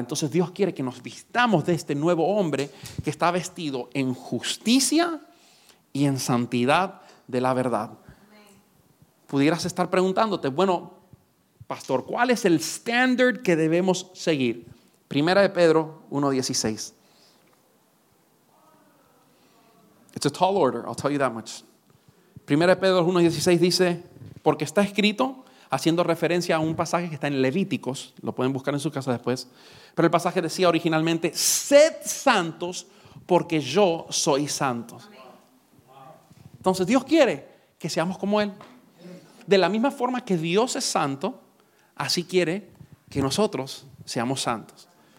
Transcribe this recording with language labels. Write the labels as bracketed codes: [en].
[es] Entonces Dios quiere que nos vistamos de este nuevo hombre que está vestido en justicia y en santidad de la verdad. Pudieras estar preguntándote, bueno, pastor, ¿cuál es el estándar que debemos seguir? Primera de Pedro 1:16. [en] It's a tall order, I'll tell you that much. [es] Primera de Pedro 1:16 dice, porque está escrito, haciendo referencia a un pasaje que está en Levíticos, lo pueden buscar en su casa después, pero el pasaje decía originalmente, sed santos porque yo soy santo. Entonces Dios quiere que seamos como Él. De la misma forma que Dios es santo, así quiere que nosotros seamos santos.